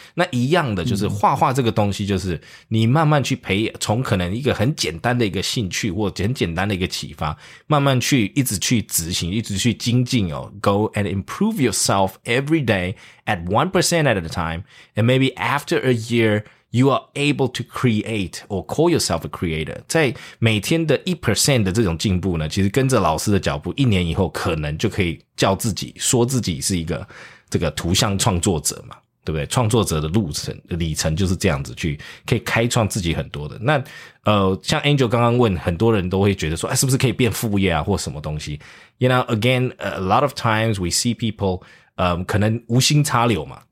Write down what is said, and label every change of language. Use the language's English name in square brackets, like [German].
[Chinese] 那一样的就是画画这个东西，就是你慢慢去培养，从可能一个很简单的一个兴趣或很简单的一个启发，慢慢去一直去执行，一直去精进哦 ， [English] go and improve yourself every day at 1% at a time， and maybe after a year。 You are able to create or call yourself a creator. [Chinese] 在每天的 1% 的这种进步呢，其实跟着老师的脚步，一年以后可能就可以叫自己，说自己是一个这个图像创作者嘛，对不对？创作者的里程就是这样子去，可以开创自己很多的。那像 Angel 刚刚问，很多人都会觉得说，是不是可以变副业啊，或什么东西 ？ [English] You know, again, a lot of times we see people, [Chinese] 可能无心插柳嘛。